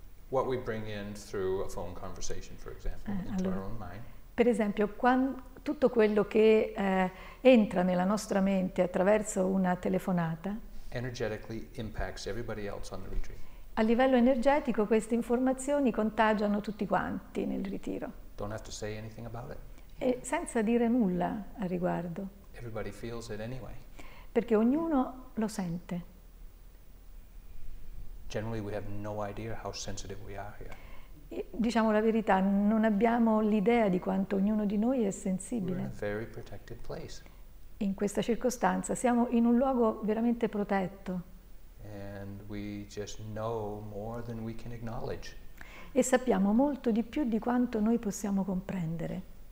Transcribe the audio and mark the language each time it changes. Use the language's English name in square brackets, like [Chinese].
[English] What we bring in through a phone conversation, for example, into our own mind. [Italian] Per esempio, tutto quello che entra nella nostra mente attraverso una telefonata. [English] Energetically impacts everybody else on the retreat. [Italian] A livello energetico, queste informazioni contagiano tutti quanti nel ritiro. [English] Don't have to say anything about it. [Italian] E senza dire nulla a riguardo. [English] Everybody feels it anyway. [Italian] Perché ognuno lo sente. [English] Generally we have no idea how sensitive we are here. [Italian] Diciamo la verità, non abbiamo l'idea di quanto ognuno di noi è sensibile. [English] We're in a very protected place. [Italian] In questa circostanza siamo in un luogo veramente protetto. [English] And we just know more than we can acknowledge. [Italian] E sappiamo molto di più di quanto noi possiamo comprendere.